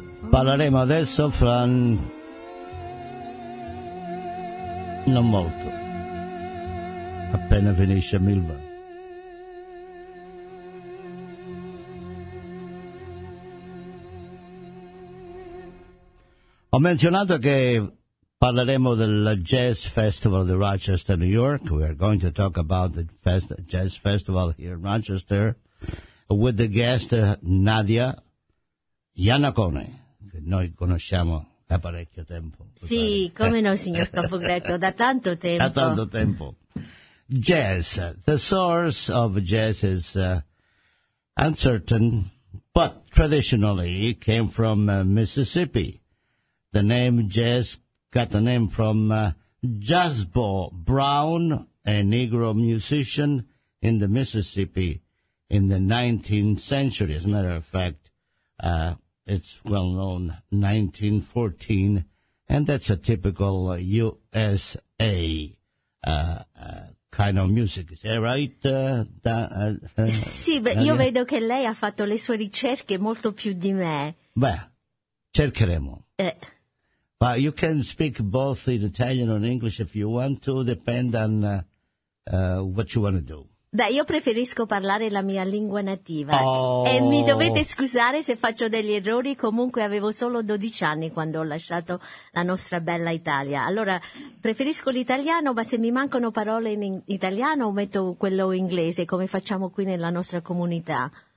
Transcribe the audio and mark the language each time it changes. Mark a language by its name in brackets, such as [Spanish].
[Italian] Parleremo adesso fra non molto, appena finisce Milva. Ho menzionato che parleremo del Jazz Festival di Rochester, New York. [English] We are going to talk about the Jazz Festival here in Rochester with the guest Nadia Iannacone. [Italian] Noi conosciamo da parecchio tempo. Sì, come no, signor Capogreco, da tanto tempo. Da tanto tempo. [English] Jazz, the source of jazz is uncertain, but traditionally it came from Mississippi. The name jazz got the name from Jazzbo Brown, a Negro musician in the Mississippi in the 19th century. As a matter of fact, it's well known, 1914, And that's a typical USA kind of music, is that right? [Italian] Sì, beh, io vedo che lei ha fatto le sue ricerche molto più di me. Beh, cercheremo. [English] But you can speak both in Italian and English if you want to, depend on what you want to do. [Italian] Beh, io preferisco parlare la mia lingua nativa. Oh. E mi dovete scusare se faccio degli errori, comunque avevo solo 12 anni quando ho lasciato la nostra bella Italia. Allora, preferisco l'italiano, ma se mi mancano parole in italiano metto quello inglese, come facciamo qui nella nostra comunità.